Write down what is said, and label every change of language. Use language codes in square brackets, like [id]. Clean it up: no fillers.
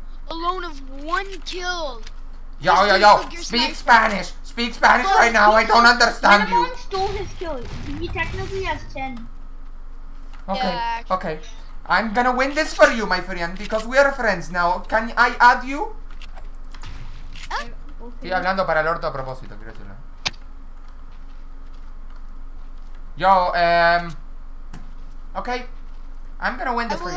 [en] Alone of 1 kill. Yo, yo, yo. Speak Spanish. Speak Spanish right now. I don't understand you. Someone stole his kills. He technically has 10. Okay, yeah, okay. I'm gonna win this for you, my friend. Because we are friends now. Can I add you? [es] Estoy hablando para el orto a propósito, quiero decirlo. [en] Yo, okay, I'm gonna win this for you.